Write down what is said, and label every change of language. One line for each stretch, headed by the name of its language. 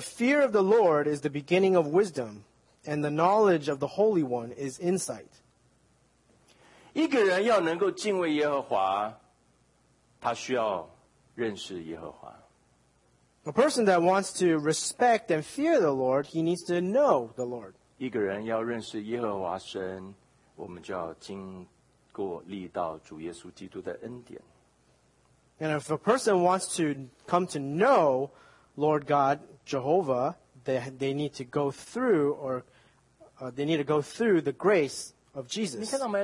English: fear of the Lord is the beginning of wisdom, and the knowledge of the Holy One is insight.
Chinese: 一个人要能够敬畏耶和华，他需要认识耶和华。A
English: person that wants to respect and fear the Lord, he needs to know the Lord.
Chinese: 一个人要认识耶和华神。我们就要经过历到主耶稣基督的恩典。
English: And if a person wants to come to know Lord God Jehovah, they need to go through the grace of Jesus.